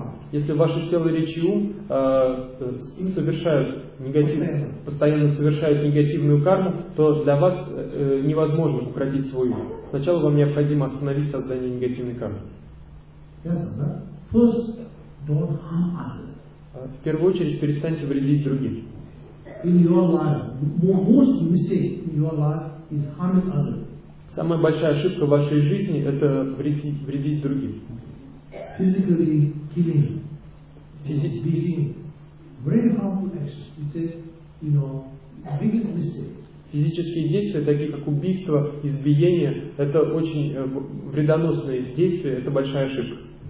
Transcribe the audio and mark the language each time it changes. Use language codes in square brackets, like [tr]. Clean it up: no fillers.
[ru] Если ваше тело, речь и ум совершают постоянно совершают негативную карму, то для вас невозможно укротить свой ум. Сначала вам необходимо остановить создание негативной кармы. [en] Yes, sir. First, don't harm others. [ru] В первую очередь перестаньте вредить другим. [en] In your life, most mistake in your life is harming others. [ru] Самая большая ошибка в вашей жизни – это вредить другим. [en] Physically killing, beating, very harmful action. It's a, you know, biggest mistake. [ru] Физические действия, такие как убийство, избиение, это очень вредоносные действия, это большая ошибка.